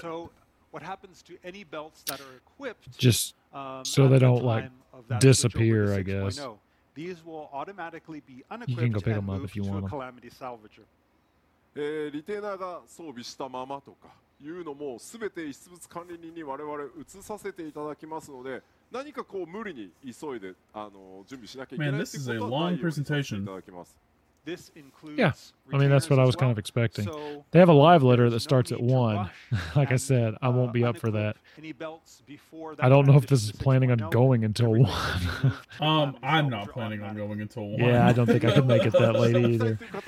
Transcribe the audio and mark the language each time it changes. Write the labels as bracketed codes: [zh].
[en] So, what happens to any belts that are equipped? Just so they don't like disappear, I guess. These will automatically be unequipped and moved to a calamity salvager. [ja] リテナが装備したままとかいうのもすべて遺失物管理人に我々移させていただきますので。何かこう無理に急いで準備しなきゃいけないってことはないように。 [en] Man, this is a long presentation. This includes yeah, I mean, that's what I was kind of expecting. They have a live letter that starts at 1. Like I said, I won't be up for that. I don't know if this is planning on going until 1. I'm not planning on going until 1. Yeah, I don't think I could make it that late either.